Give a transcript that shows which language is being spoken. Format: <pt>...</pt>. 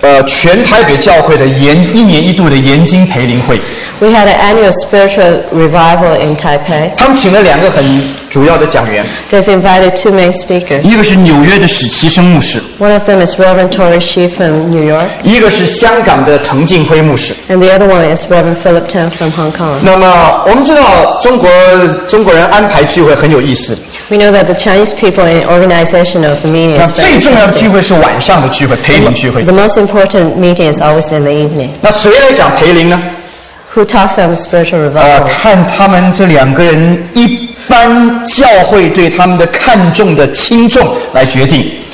<zh>全台北教会的一年一度的研经培灵会。</zh> <en>We had an annual spiritual revival in Taipei.</en> <zh>他们请了两个很主要的讲员。</zh> <en>They've invited two main speakers.</en> <zh>一个是纽约的许其生牧师。</zh> <en>One of them is Reverend Tory Shee from New York.</en> <zh>一个是香港的滕敬辉牧师。</zh> <en>And the other one is Reverend Philip Tan from Hong Kong.</en> <zh>那么我们知道中国人安排聚会很有意思。</zh> <en>We know that the Chinese people in organization of the meeting.</en> <zh>那最重要的聚会是晚上的聚会，培灵聚会。</zh> <en>The most important meeting is always in the evening.</en> <zh>那谁来讲培灵呢？</zh> <en>Who talks on the spiritual revival?</en> <zh>看他们这两个人，一般教会对他们的看重的轻重来决定。</zh>